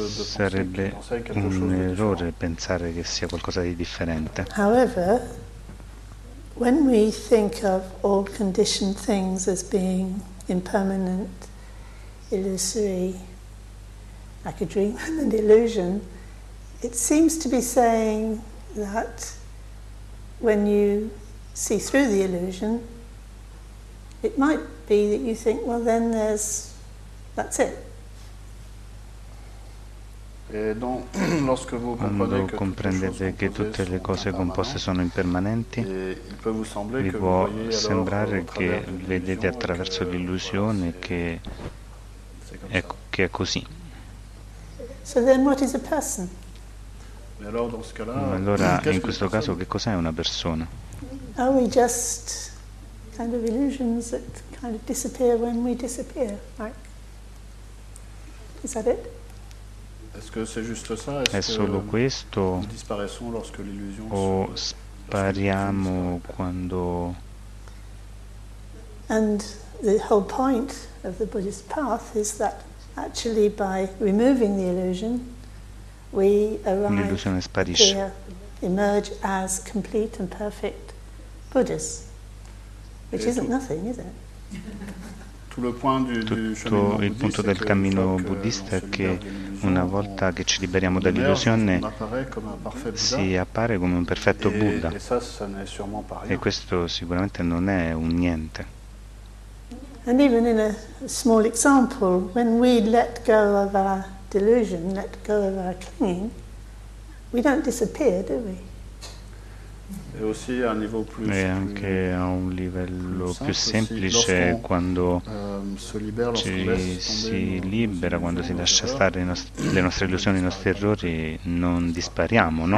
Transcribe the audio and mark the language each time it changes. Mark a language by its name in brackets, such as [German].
[Italian] Sarebbe un errore pensare che sia qualcosa di differente. [English] However, when we think of all conditioned things as being impermanent, illusory, like a dream and an illusion, it seems to be saying that when you see through the illusion, it might be that you think, well, then that's it. [Italian] Quando comprendete che tutte le cose composte sono impermanenti, vi può sembrare che vedete attraverso l'illusione che è così. [English] So then what is a person? [Italian] Ma allora in questo caso che cos'è una persona? [English] Are we just kind of illusions that kind of disappear when we disappear? Like, is that it? [Italian] È solo questo o spariamo quando... [English] And the whole point of the Buddhist path is that actually by removing the illusion we arrive [Italian] l'illusione sparisce. [English] Here, emerge as complete and perfect Buddhists, which isn't nothing, is it? [Italian] Tutto il punto del cammino buddista è che una volta che ci liberiamo dall'illusione si appare come un perfetto Buddha e questo sicuramente non è un niente. [English] And even in a small example, when we let go of our delusion, let go of our clinging, we don't disappear, do we? [Italian] E anche a un livello più semplice, quando ci si libera, quando si lascia stare le nostre illusioni, i nostri errori, non dispariamo, no?